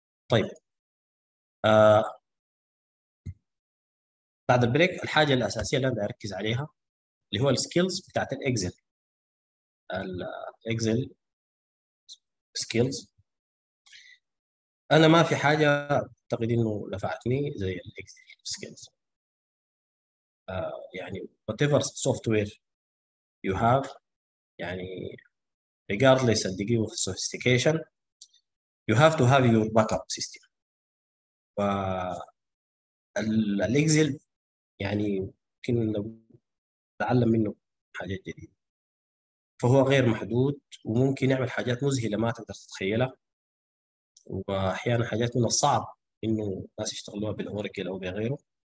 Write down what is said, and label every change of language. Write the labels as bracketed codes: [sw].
[ar] طيب بعد البريك الحاجة الأساسية اللي أنا أركز عليها اللي هو السكيلز بتاعت الإكسل. الإكسل skills. أنا ما في حاجة أعتقد إنه لفعتني زي الـ skills. [en] يعني whatever software you have يعني regardless of degree of sophistication you have to have your backup system. [ar] الـ Excel يعني يمكن نتعلم منه حاجات جديدة. فهو غير محدود وممكن يعمل حاجات مذهلة ما تقدر تتخيلها، وأحيانا حاجات من الصعب إنه الناس يشتغلوها بالأوراكل أو بغيره.